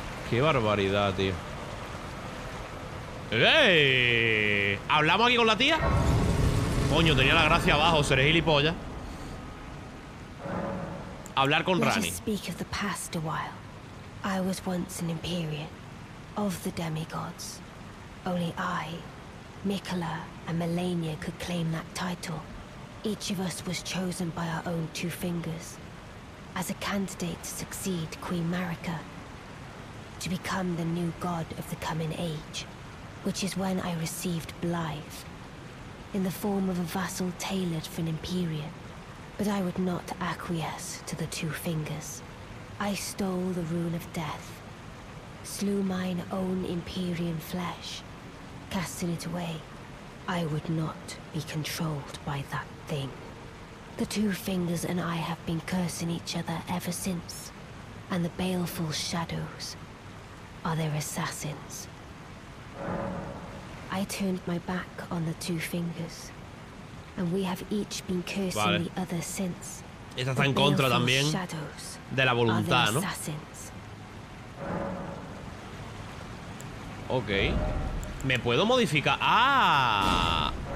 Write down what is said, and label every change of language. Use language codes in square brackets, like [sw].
[es] ¡Qué barbaridad, tío! ¡Ey! ¿Hablamos aquí con la tía? Coño, tenía la gracia abajo, seré gilipollas. Hablar con Rani. [en] Speak of the past a while. I was once an Empyrean of the demigods. Only I, Mikala and Melania could claim that title. Each of us was chosen by our own two fingers as a candidate to succeed Queen Marika, to become the new god of the coming age, which is when I received Blythe in the form of a vassal tailored for an Empyrean. But I would not acquiesce to the two fingers. I stole the rune of death, slew mine own Empyrean flesh, casting it away. I would not be controlled by that thing. The two fingers and I have been cursing each other ever since, and the baleful shadows are their assassins. I turned my back on the two fingers, and we have each been cursing the other since. [es] Esta está en contra también de la voluntad, ¿no? Ok. ¿Me puedo modificar? ¡Ah!